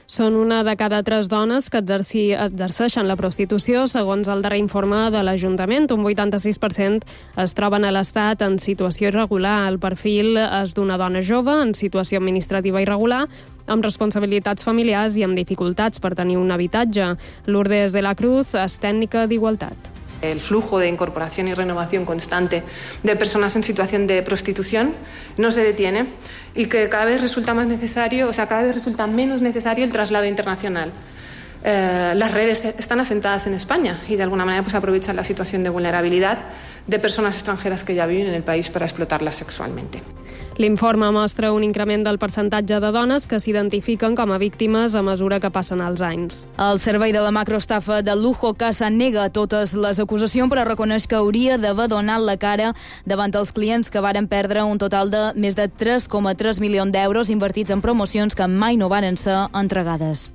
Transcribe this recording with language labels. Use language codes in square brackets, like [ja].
[ca] Són una de cada 3 dones que exerceixen la prostitució, segons el darrer informe de l'Ajuntament. Un 86% es troben a l'estat en situació irregular. El perfil és d'una dona jove en situació administrativa irregular, amb responsabilitats familiars i amb dificultats per tenir un habitatge. Lourdes de la Cruz és tècnica d'igualtat. [es] El flujo de incorporación y renovación constante de personas en situación de prostitución no se detiene y que cada vez resulta más necesario, o sea, cada vez resulta menos necesario el traslado internacional. Las redes están asentadas en España y de alguna manera pues aprovechan la situación de vulnerabilidad de personas extranjeras que ya viven en el país para explotarlas sexualmente. [ca] L'informe mostra un increment del percentatge de dones que s'identifiquen com a víctimes a mesura que passen els anys. El servei de la macroestafa de Lujo Casa nega totes les acusacions, però reconeix que hauria d'haver donat la cara davant els clients que varen perdre un total de més de 3,3 milions d'euros invertits en promocions que mai no varen ser entregades.